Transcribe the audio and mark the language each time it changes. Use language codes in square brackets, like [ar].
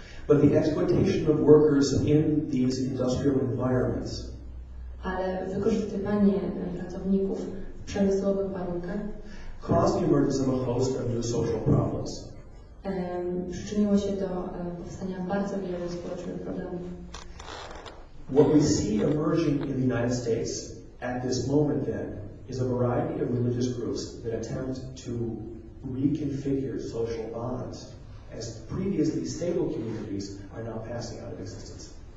[en] But the exploitation of workers in these industrial environments. [pl] Ale wykorzystywanie pracowników w przemysłowych warunkach [en] caused the emergence of a host of new social problems. [pl] Przyczyniło się do powstania bardzo wielu społecznych problemów. [en] What we see emerging in the United States at this moment then is a variety of religious groups that attempt to reconfigure social bonds as previously stable communities are now passing out of existence.